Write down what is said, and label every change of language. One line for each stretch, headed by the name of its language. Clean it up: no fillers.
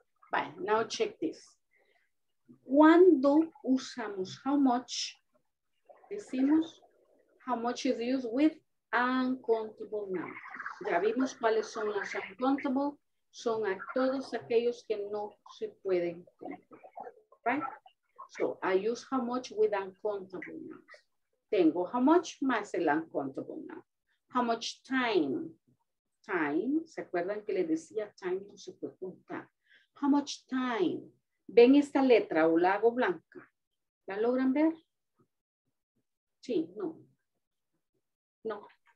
English: Bye, now check this.
Spanish: ¿Cuándo usamos
English: how much?
Spanish: Decimos
English: how much is used with uncountable nouns.
Spanish: Ya vimos cuáles son las uncountable, son a todos aquellos que no se pueden contar.
English: Right? So I use how much with uncountable nouns.
Spanish: Tengo how much más el uncountable noun.
English: How much time?
Spanish: Time, ¿se acuerdan que le decía time no se puede contar?
English: How much time?
Spanish: ¿Ven esta letra o la hago blanca? ¿La logran ver? Sí, no. No.